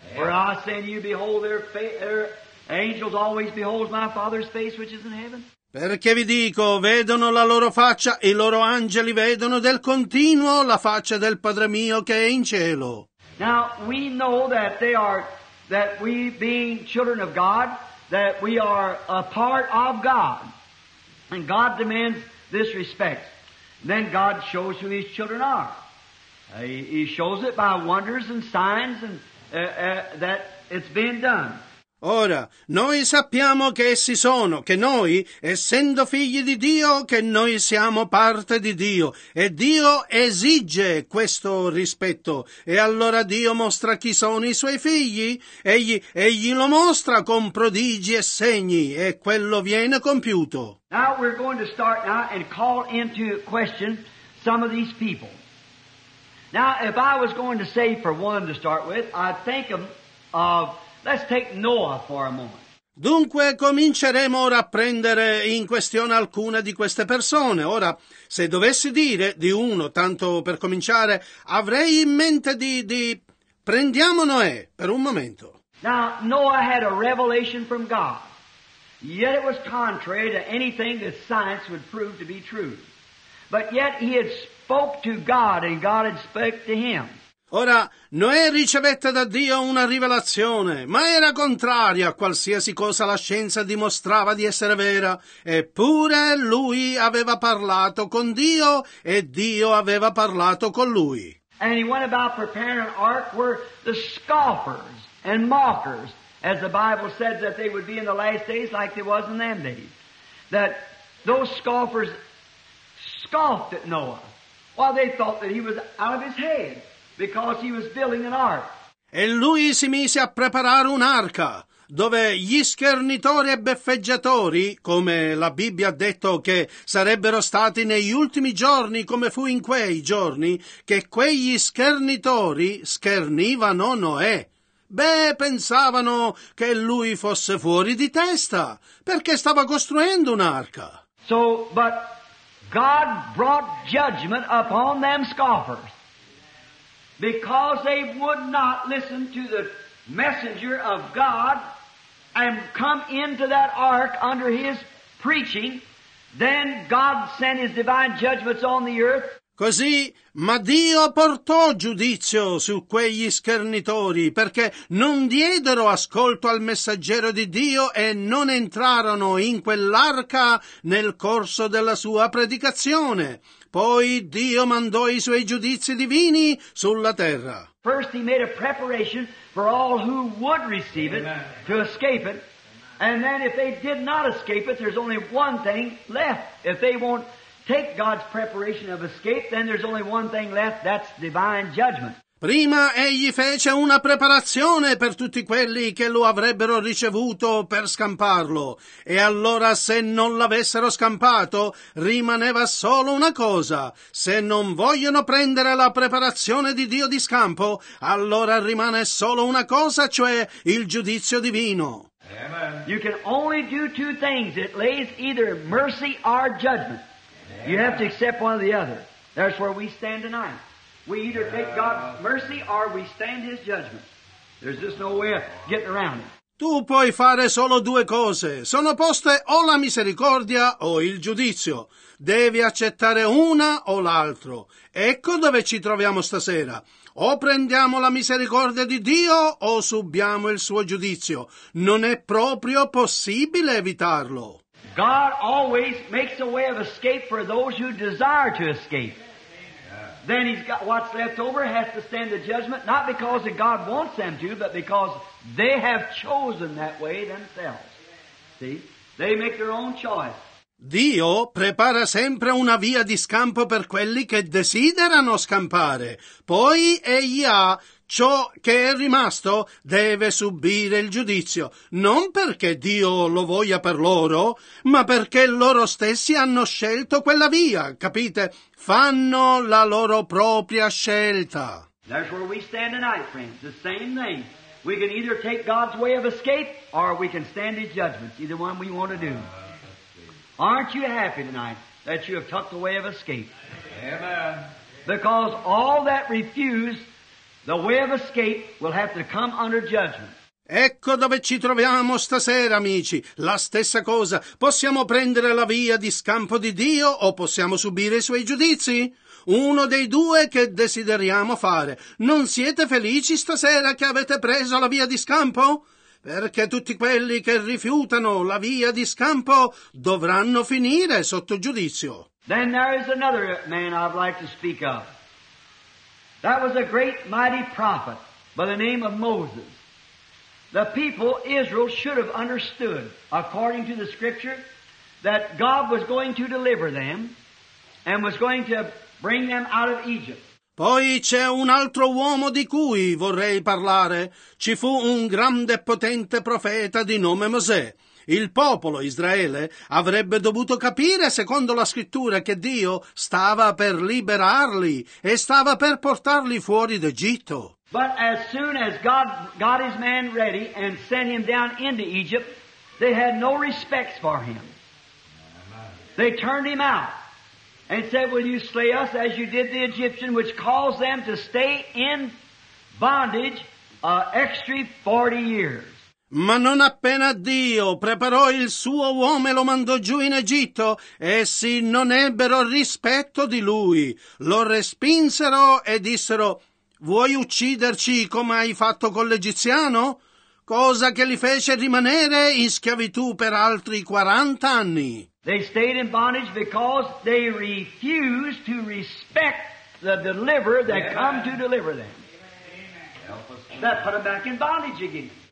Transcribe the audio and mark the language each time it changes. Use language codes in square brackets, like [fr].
[en] For I say to you, behold, their angels always behold my Father's face which is in heaven. [it] Perché vi dico, vedono la loro faccia, i loro angeli vedono del continuo la faccia del Padre mio che è in cielo. [en] Now we know that they are, that we being children of God, that we are a part of God, and God demands this respect. Then God shows who his children are. He shows it by wonders and signs and that it's being done. [it] Ora, noi sappiamo che essi sono, che noi, essendo figli di Dio, che noi siamo parte di Dio, e Dio esige questo rispetto, e allora Dio mostra chi sono i suoi figli, egli lo mostra con prodigi e segni, e quello viene compiuto. [en] Now we're going to start now and call into question some of these people. Now, if I was going to say for one to start with, I'd think of let's take Noah for a moment. [it] Dunque cominceremo ora a prendere in questione alcune di queste persone. Ora, se dovessi dire di uno, tanto per cominciare, avrei in mente di prendiamo Noè per un momento. [en] Now, Noah had a revelation from God, yet it was contrary to anything that science would prove to be true. But yet he had spoke to God and God had spoke to him. [it] Ora, Noè ricevette da Dio una rivelazione, ma era contraria a qualsiasi cosa la scienza dimostrava di essere vera. Eppure lui aveva parlato con Dio e Dio aveva parlato con lui. [en] And he went about preparing an ark where the scoffers and mockers, as the Bible said that they would be in the last days like they was in them days, that those scoffers scoffed at Noah while they thought that he was out of his head. Because he was building an ark. [it] E lui si mise a preparare un'arca, dove gli schernitori e beffeggiatori, come la Bibbia ha detto che sarebbero stati negli ultimi giorni, come fu in quei giorni, che quegli schernitori schernivano Noè. Beh, pensavano che lui fosse fuori di testa, perché stava costruendo un'arca. [en] So, but God brought judgment upon them scoffers. Because they would not listen to the messenger of God and come into that ark under his preaching, then God sent his divine judgments on the earth. [it] Così, ma Dio portò giudizio su quegli schernitori, perché non diedero ascolto al messaggero di Dio e non entrarono in quell'arca nel corso della sua predicazione. Poi Dio mandò i suoi giudizi divini sulla terra. [en] First he made a preparation for all who would receive it, Amen. To escape it. And then if they did not escape it, there's only one thing left. If they won't take God's preparation of escape, then there's only one thing left, that's divine judgment. [it] Prima egli fece una preparazione per tutti quelli che lo avrebbero ricevuto per scamparlo. E allora se non l'avessero scampato, rimaneva solo una cosa. Se non vogliono prendere la preparazione di Dio di scampo, allora rimane solo una cosa, cioè il giudizio divino. [en] Amen. You can only do two things. It lays either mercy or judgment. Amen. You have to accept one or the other. That's where we stand tonight. We either take God's mercy or we stand his judgment. There's just no way of getting around it. [it] Tu puoi fare solo due cose. Sono poste o la misericordia o il giudizio. Devi accettare una o l'altro. Ecco dove ci troviamo stasera. O prendiamo la misericordia di Dio o subiamo il suo giudizio. Non è proprio possibile evitarlo. [en] God always makes a way of escape for those who desire to escape. Then he's got what's left over has to stand the judgment, not because that God wants them to, but because they have chosen that way themselves. See? They make their own choice. [it] Dio prepara sempre una via di scampo per quelli che desiderano scampare. Poi egli ha ciò che è rimasto deve subire il giudizio, non perché Dio lo voglia per loro, ma perché loro stessi hanno scelto quella via, capite? Fanno la loro propria scelta. [en] That's where we stand tonight, friends. The same thing. We can either take God's way of escape, or we can stand his judgments, either one we want to do. Aren't you happy tonight that you have took the way of escape? Amen. Because all that refused the way of escape will have to come under judgment. [it] Ecco dove ci troviamo stasera, amici. La stessa cosa. Possiamo prendere la via di scampo di Dio o possiamo subire i suoi giudizi? Uno dei due che desideriamo fare. Non siete felici stasera che avete preso la via di scampo? Perché tutti quelli che rifiutano la via di scampo dovranno finire sotto giudizio. [en] Then there is another man I'd like to speak of. That was a great mighty prophet by the name of Moses. The people, Israel, should have understood, according to the Scripture, that God was going to deliver them and was going to bring them out of Egypt. [it] Poi c'è un altro uomo di cui vorrei parlare. Ci fu un grande e potente profeta di nome Mosè. Il popolo Israele avrebbe dovuto capire, secondo la Scrittura, che Dio stava per liberarli e stava per portarli fuori d'Egitto. [en] But as soon as God got his man ready and sent him down into Egypt, they had no respect for him. They turned him out and said, "Will you slay us as you did the Egyptian, which caused them to stay in bondage extra 40 years?" [it] Ma non appena Dio preparò il suo uomo e lo mandò giù in Egitto, essi non ebbero rispetto di lui. Lo respinsero e dissero: "Vuoi ucciderci come hai fatto con l'egiziano?" Cosa che li fece rimanere in schiavitù per altri 40 anni. [en] They stayed in bondage because they refused to respect the deliverer that come to deliver them. That put them back in bondage again.